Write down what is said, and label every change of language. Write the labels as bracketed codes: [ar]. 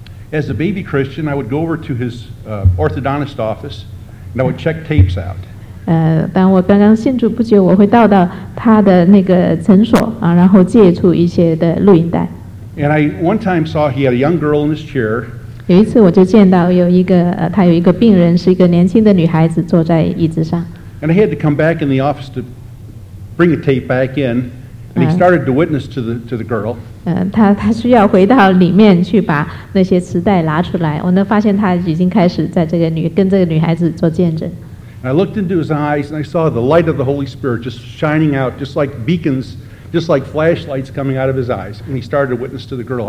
[en] As a baby Christian, I would go over to his orthodontist office and I would check tapes out. [zh] 当我刚刚信主不久，我会到他的那个诊所，然后借出一些的录音带。 [en] And I one time saw he had a young girl in his chair. [zh] 有一次我就见到有一个，他有一个病人，是一个年轻的女孩子坐在椅子上。 [en] And I had to come back in the office to bring a tape back in, and he started to witness to the girl. [zh] 他需要回到里面去把那些磁带拿出来，我能发现他已经开始跟这个女孩子做见证。 [en] I looked into his eyes, and I saw the light of the Holy Spirit just shining out, just like beacons, just like flashlights coming out of his eyes, and he started to witness to the girl.